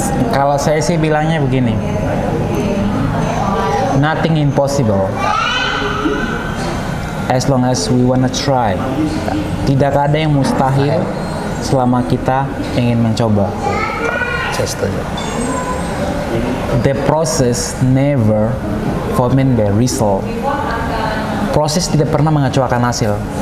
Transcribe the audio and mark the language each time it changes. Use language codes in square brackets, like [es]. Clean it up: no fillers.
[id] Kalau saya sih bilangnya begini, [en] nothing impossible as long as we wanna try. [id] Tidak ada yang mustahil selama kita ingin mencoba. [en] Just a joke. The process never for me the result. [id] Proses tidak pernah mengecewakan hasil.